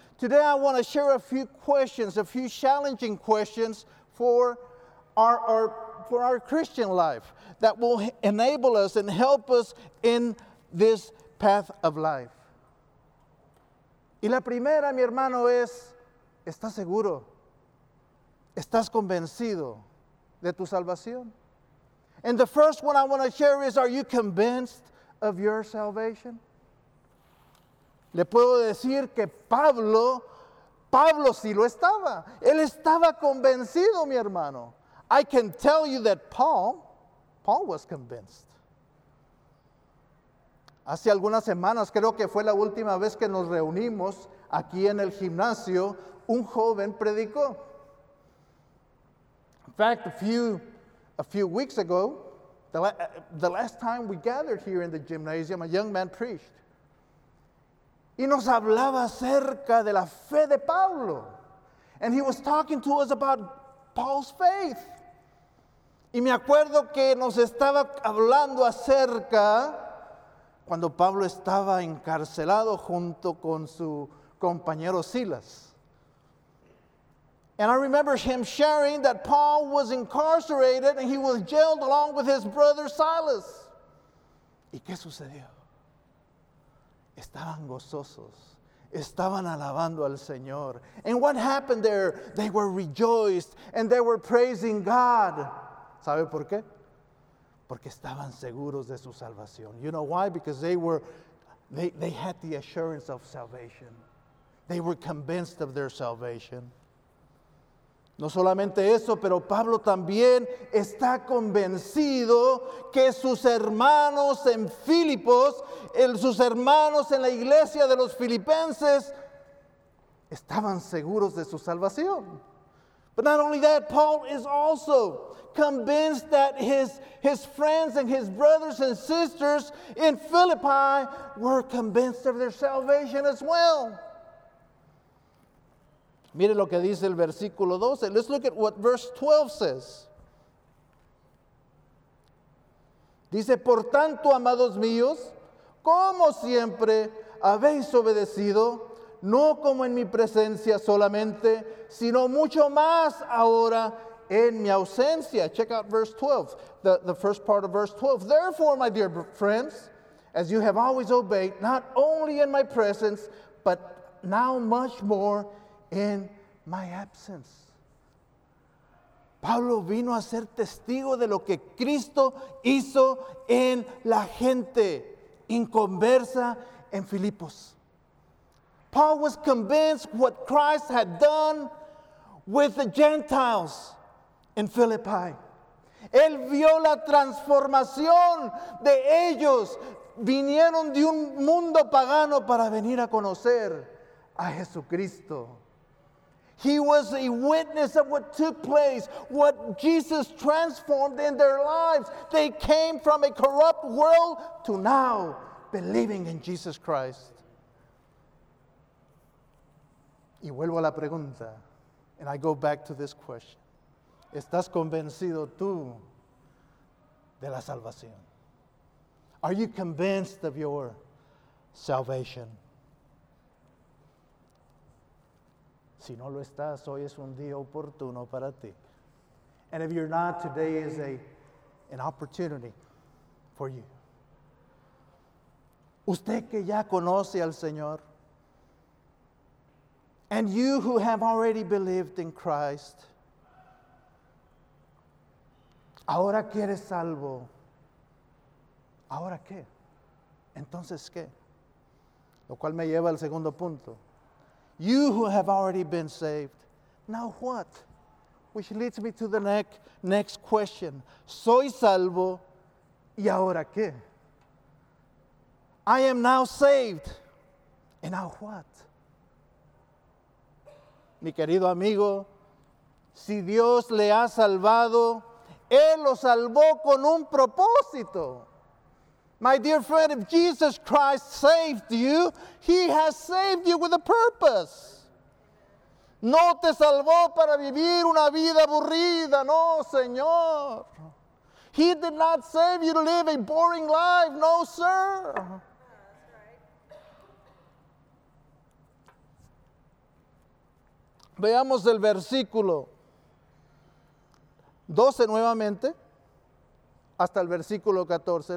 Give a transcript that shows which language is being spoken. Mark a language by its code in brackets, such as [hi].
[en] Today I want to share a few questions, a few challenging questions for our Christian life that will enable us and help us in this path of life. [es] Y la primera, mi hermano, es, ¿estás seguro? ¿Estás convencido de tu salvación? [en] And the first one I want to share is, are you convinced of your salvation? [es] Le puedo decir que Pablo sí lo estaba. Él estaba convencido, mi hermano. [en] I can tell you that Paul was convinced. [es] Hace algunas semanas, creo que fue la última vez que nos reunimos aquí en el gimnasio, un joven predicó. [en] In fact, a few weeks ago, the last time we gathered here in the gymnasium, a young man preached. [es] Y nos hablaba acerca de la fe de Pablo. [en] And he was talking to us about Paul's faith. [es] Y me acuerdo que nos estaba hablando acerca cuando Pablo estaba encarcelado junto con su compañero Silas. [en] And I remember him sharing that Paul was incarcerated and he was jailed along with his brother Silas. [es] ¿Y qué sucedió? Estaban gozosos. Estaban alabando al Señor. [en] And what happened there? They were rejoiced and they were praising God. [es] ¿Sabe por qué? Porque estaban seguros de su salvación. [en] You know why? Because they had the assurance of salvation. They were convinced of their salvation. [es] No solamente eso, pero Pablo también está convencido que sus hermanos en Filipos, sus hermanos en la iglesia de los filipenses, estaban seguros de su salvación. [en] But not only that, Paul is also convinced that his friends and his brothers and sisters in Philippi were convinced of their salvation as well. [es] Mire lo que dice el versículo 12. [en] Let's look at what verse 12 says. [es] Dice, por tanto, amados míos, como siempre habéis obedecido, no como en mi presencia solamente, sino mucho más ahora en mi ausencia. [en] Check out verse 12, the first part of verse 12. Therefore, my dear friends, as you have always obeyed, not only in my presence, but now much more in my absence. [es] Pablo vino a ser testigo de lo que Cristo hizo en la gente inconversa en Filipos. [en] Paul was convinced what Christ had done with the Gentiles in Philippi. [es] Él vio la transformación de ellos. Vinieron de un mundo pagano para venir a conocer a Jesucristo. [en] He was a witness of what took place, what Jesus transformed in their lives. They came from a corrupt world to now believing in Jesus Christ. [es] Y vuelvo a la pregunta, [en] and I go back to this question. [es] ¿Estás convencido tú de la salvación? [en] Are you convinced of your salvation? [es] Si no lo estás, hoy es un día oportuno para ti. [en] And if you're not, today is an opportunity for you. [es] Usted que ya conoce al Señor, [en] and you who have already believed in Christ, [es] ahora que eres salvo, ¿ahora qué? ¿Entonces qué? Lo cual me lleva al segundo punto. [en] You who have already been saved, Now what? Which leads me to the next question. [es] Soy salvo, ¿y ahora qué? [en] I am now saved. And now what? [es] Mi querido amigo, si Dios le ha salvado, Él lo salvó con un propósito. [en] My dear friend, if Jesus Christ saved you, He has saved you with a purpose. [es] No te salvó para vivir una vida aburrida, no, Señor. [en] He did not save you to live a boring life, no, sir. [es] Veamos el versículo 12 nuevamente hasta el versículo 14.